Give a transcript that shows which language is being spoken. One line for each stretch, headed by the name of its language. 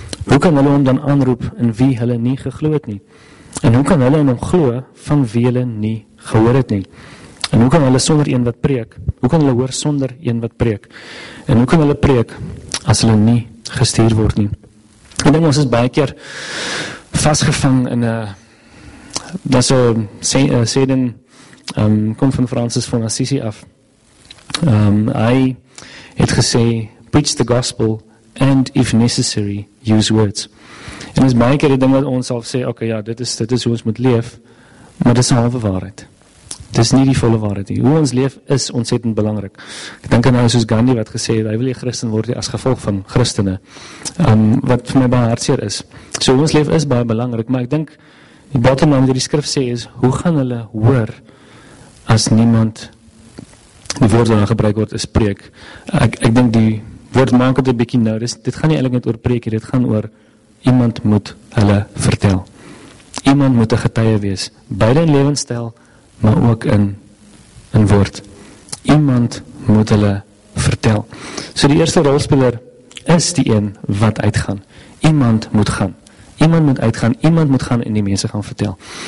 Afrikaans: Hoe kan hulle hom dan aanroep in wie hulle nie geglo het nie? En hoe kan hulle in hom glo van wie hulle nie gehoor het nie? En hoe kan hulle sonder een wat preek? Hoe kan hulle hoor sonder een wat preek? En hoe kan hulle preek as hulle nie gestuur word nie? Ek dink ons is baie keer vastgevang in 'n dat so sêding kom van Francis van Assisi af.
English: Hy het gesê, preach the gospel and if necessary use words.
Afrikaans: En ons baie keer die ding wat ons al sê, okay, ja, dit is hoe ons moet leef, maar dit is halve waarheid. Dit is nie die volle waarheid nie. Hoe ons leef is ontsettend belangrik. Ek dink aan nou soos Gandhi wat gesê het, hy wil nie Christen word nie as gevolg van Christene. Wat vir my baie hartseer is. So hoe ons leef is baie belangrik, maar ek dink die bottom line wat die skrif sê is, hoe gaan hulle hoor as niemand die woord wat gebruik word is preek? Ek dink die woord maak het 'n bietjie nou. Dit gaan nie eintlik net oor preek hier, dit gaan oor iemand moet hulle vertel. Iemand moet 'n getuie wees, beide in lewenstyl, maar ook in woord. Iemand moet hulle vertel. So die eerste rolspeler is die een wat uitgaan. Iemand moet gaan. Iemand moet uitgaan, iemand moet gaan en die mense gaan vertel.